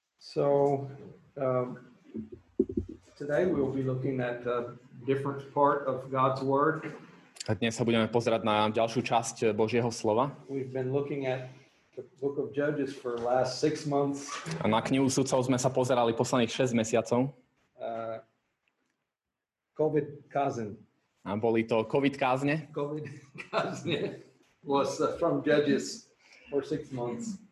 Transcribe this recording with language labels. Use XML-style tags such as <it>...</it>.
<en>So today we will be looking at a different part of God's word.</en> <sk>A dnes sa budeme pozerať na ďalšiu časť Božieho slova.</sk> <en>We've been looking at the book of Judges for last 6 months.</en> <sk>A na knihu Sudcov sme sa pozerali posledných 6 mesiacov. COVID kazen. A boli to COVID kázne?</sk> <en>COVID kazne was from Judges for 6 months.</en>